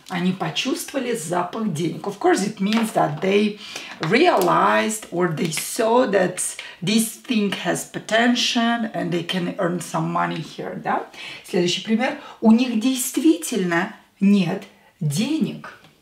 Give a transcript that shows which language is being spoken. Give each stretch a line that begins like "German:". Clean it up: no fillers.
Russian: Они почувствовали запах денег.
English: Of course, it means that they realized or they saw that this thing has potential and they can earn some money here, да?
Russian: Следующий пример. У них действительно нет денег.